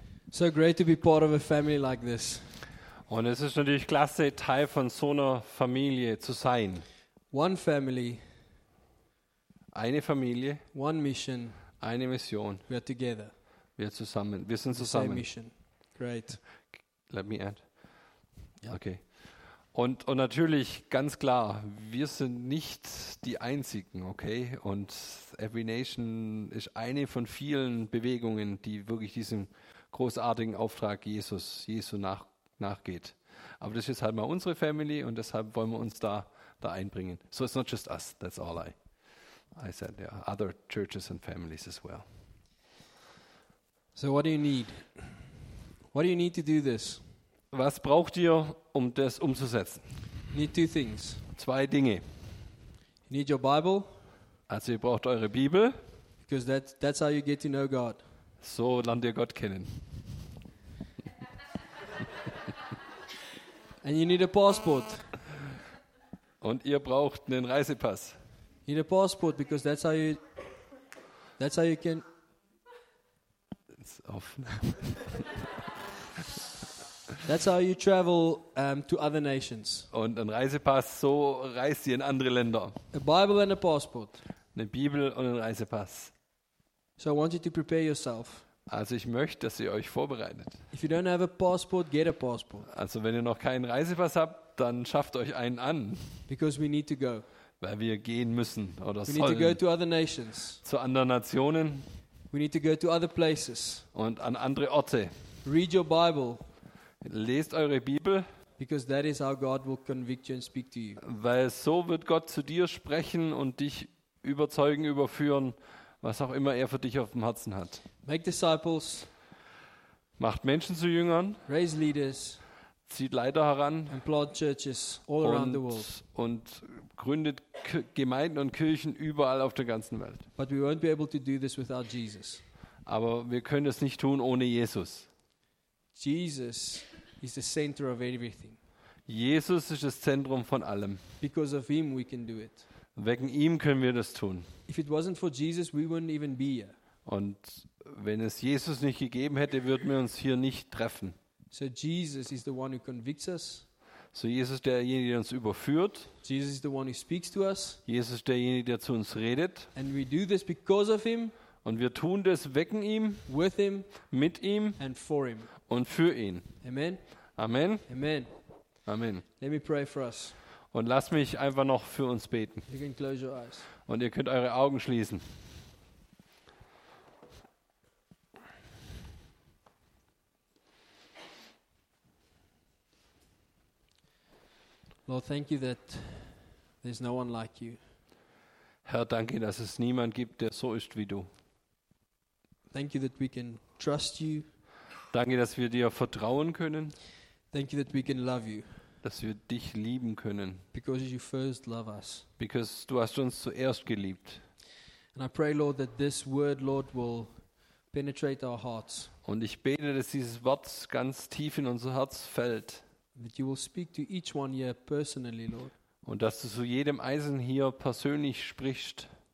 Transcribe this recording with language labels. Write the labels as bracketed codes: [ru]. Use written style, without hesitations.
[en] So great to be part of a family like this. [de] Und es ist natürlich klasse, Teil von so einer Familie zu sein. [en] One family. [de] Eine Familie. [en] One mission. [de] Eine Mission. [en] We are together. [de] Wir sind zusammen. [en] Same mission. Great. Let me add. Yeah. Okay. [de] Und natürlich, ganz klar, wir sind nicht die Einzigen, okay? Und Every Nation ist eine von vielen Bewegungen, die wirklich diesem großartigen Auftrag Jesu nachgeht. Aber das ist halt mal unsere Family und deshalb wollen wir uns da einbringen. [en] So it's not just us, that's all I said. Yeah. Other churches and families as well. So what do you need? What do you need to do this? [de] Was braucht ihr, um das umzusetzen? [en] You need 2 things. [de] 2 Dinge. [en] You need your Bible. [de] Also ihr braucht eure Bibel. [en] Because that's how you get to know God. [de] So lernt ihr Gott kennen. [en] And you need a passport. [de] Und ihr braucht einen Reisepass. [en] You need a passport because that's how you can. That's how you travel to other nations. [de] Und ein Reisepass, so reist ihr in andere Länder. [en] A Bible and a passport. [de] Eine Bibel und ein Reisepass. [en] So I want you to prepare yourself. [de] Also ich möchte, dass ihr euch vorbereitet. [en] If you don't have a passport, get a passport. [de] Also wenn ihr noch keinen Reisepass habt, dann schafft euch einen an. [en] Because we need to go. [de] Weil wir gehen müssen oder [en] we [de] sollen. [en] We need to go to other nations. [de] Zu anderen Nationen. [en] We need to go to other places. [de] Und an andere Orte. [en] Read your Bible. [de] Lest eure Bibel. [en] Because that is how God will convict you and speak to you. [de] Weil so wird Gott zu dir sprechen und dich überzeugen, überführen, was auch immer er für dich auf dem Herzen hat. [en] Make disciples. [de] Macht Menschen zu Jüngern. [en] Raise leaders. [de] Zieht Leiter heran. [en] And plant churches all around the world. [de] Und gründet Gemeinden und Kirchen überall auf der ganzen Welt. [en] But we won't be able to do this without Jesus. [de] Aber wir können es nicht tun ohne Jesus. [en] Jesus is the center of everything. [de] Jesus ist das Zentrum von allem. [en] Because of him we can do it. [de] Wegen ihm können wir das tun. [en] If it wasn't for Jesus, we wouldn't even be here. [de] Und wenn es Jesus nicht gegeben hätte, würden wir uns hier nicht treffen. [en] So Jesus is the one who convicts us. [de] So Jesus ist derjenige, der uns überführt. [en] Jesus is the one who speaks to us. [de] Jesus ist derjenige, der zu uns redet. [en] And we do this because of him. [de] Und wir tun das wegen ihm. [en] With him. [de] Mit ihm. [en] And for him. [de] Und für ihn. Amen. Amen. Amen. Amen. [en] Let me pray for us. [de] Und lass mich einfach noch für uns beten. [en] You can close your eyes. [de] Und ihr könnt eure Augen schließen. [en] Lord, thank you that there's no one like you. [de] Herr, danke, dass es niemand gibt, der so ist wie du. [en] Thank you that we can trust you. [de] Danke, dass wir dir vertrauen können. [en] Thank you that we can love you. [de] Dass wir dich lieben können. [en] Because you first love us. Because [de] du hast uns zuerst geliebt. [en] And I pray, Lord, that this word, Lord, will penetrate our hearts. [de] Und ich bete, dass dieses Wort ganz tief in unser Herz fällt. [en] That you will speak to each one here personally, Lord. [de] Und dass du zu jedem Eisen hier persönlich sprichst.